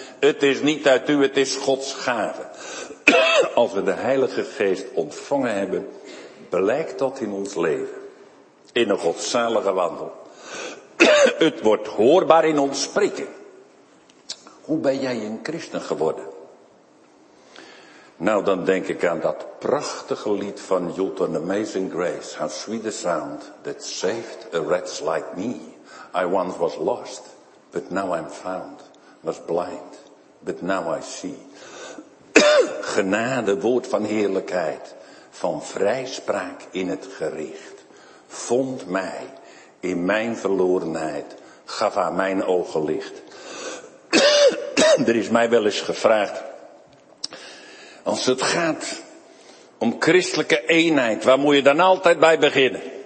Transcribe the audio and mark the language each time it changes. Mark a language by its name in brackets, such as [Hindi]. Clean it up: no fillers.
[Dutch] Het is niet uit u, het is Gods gave. Als we de Heilige Geest ontvangen hebben, blijkt dat in ons leven. In een godzalige wandel. Het wordt hoorbaar in ons spreken. Hoe ben jij een christen geworden? Nou, dan denk ik aan dat prachtige lied van Jotun, Amazing Grace. [English] How sweet the sound that saved a wretch like me. I once was lost, but now I'm found. Was blind, but now I see. [Dutch] Genade, woord van heerlijkheid, van vrijspraak in het gericht. Vond mij in mijn verlorenheid, gaf aan mijn ogen licht. Er is mij wel eens gevraagd, als het gaat om christelijke eenheid, waar moet je dan altijd bij beginnen?